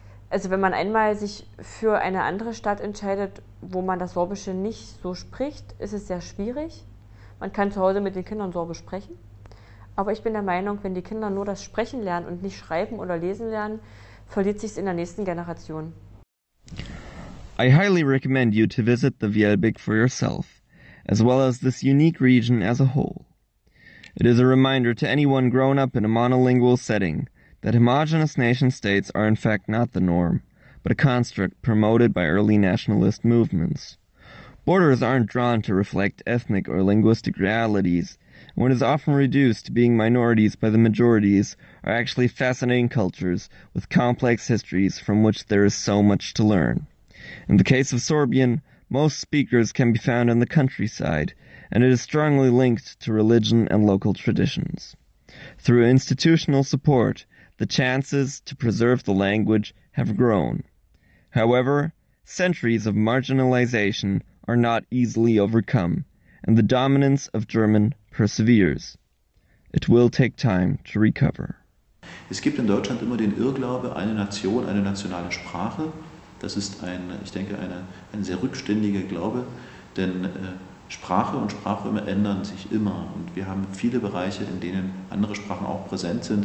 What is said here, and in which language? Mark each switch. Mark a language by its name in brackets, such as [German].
[German] Also wenn man einmal sich für eine andere Stadt entscheidet, wo man das Sorbische nicht so spricht, ist es sehr schwierig. Man kann zu Hause mit den Kindern Sorbisch sprechen. Aber ich bin der Meinung, wenn die Kinder nur das Sprechen lernen und nicht schreiben oder lesen lernen, verliert sich es in der nächsten Generation. [English] I highly recommend you to visit the Vielbeck for yourself, as well as this unique region as a whole. It is a reminder to anyone grown up in a monolingual setting that homogeneous nation-states are in fact not the norm, but a construct promoted by early nationalist movements. Borders aren't drawn to reflect ethnic or linguistic realities. One is often reduced to being minorities by the majorities are actually fascinating cultures with complex histories from which there is so much to learn. In the case of Sorbian, most speakers can be found in the countryside, and it is strongly linked to religion and local traditions. Through institutional support, the chances to preserve the language have grown. However, centuries of marginalization are not easily overcome, and the dominance of German perseveres. It will take time to recover. [German] Es gibt in Deutschland immer den Irrglaube, eine Nation, eine nationale Sprache. Das ist ein, ich denke, ein sehr rückständiger Glaube, denn Sprache und Sprachräume ändern sich immer. Und wir haben viele Bereiche, in denen andere Sprachen auch präsent sind.